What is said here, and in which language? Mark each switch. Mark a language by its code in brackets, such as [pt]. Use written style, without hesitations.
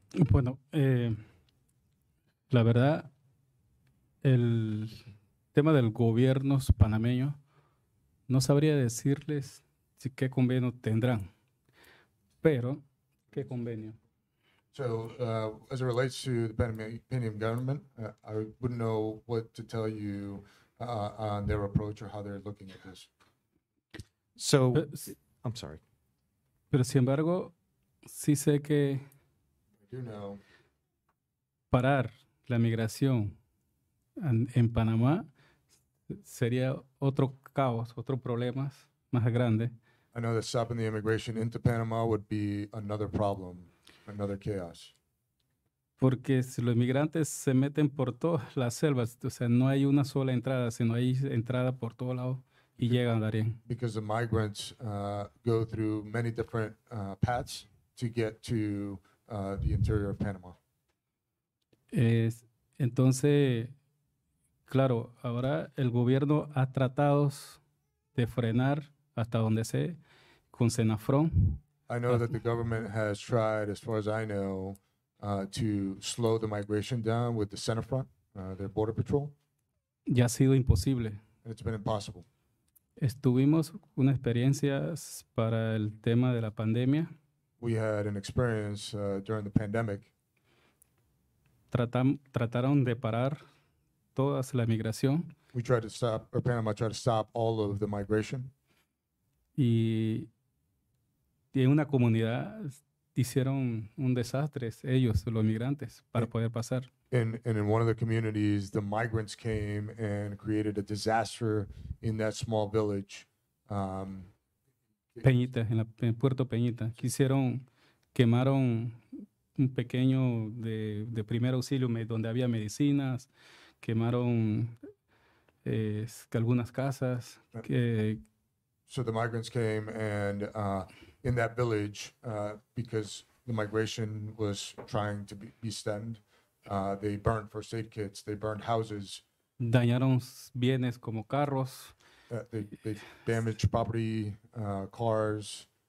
[es] Bueno, la verdad, el tema del gobierno panameño, no sabría decirles si qué convenio tendrán, pero qué convenio. [en] So, as it relates to the Panamanian government, I wouldn't know what to tell you on their approach or how they're looking at this. So, I'm sorry. [es] Pero sin embargo, sí sé que. [en] You know, [es] parar la migración en Panamá sería otro caos, otro problema más grande. [en] I know that stopping the immigration into Panama would be another problem, another chaos. [es] Porque si los migrantes se meten por todas las selvas, o sea, no hay una sola entrada, sino hay entrada por todo lado y llegan a Darien. [en] Because the migrants go through many different paths to get to the interior of Panama. [es] Entonces, claro, ahora el gobierno ha tratado de frenar hasta donde sé con Senafron. [en] I know that the government has tried, as far as I know, to slow the migration down with the Senafron, their border patrol. [es] Ya ha sido imposible. [en] And it's been impossible. [es] Estuvimos una experiencia para el tema de la pandemia. [en] We had an experience during the pandemic. [es] Trataron de parar toda la migración. [en] We tried to stop, or Panama tried to stop all of the migration. [es] Y en una comunidad hicieron un desastre ellos, los migrantes, para poder pasar. [en] And in one of the communities, the migrants came and created a disaster in that small village. [es] Peñita, en Puerto Peñita, quemaron un pequeño de primer auxilio donde había medicinas, quemaron algunas casas. [en] So the migrants came and in that village, because the migration was trying to be stemmed, they burned first aid kits, they burned houses. [es] Dañaron bienes como carros. [en] They damaged property, cars.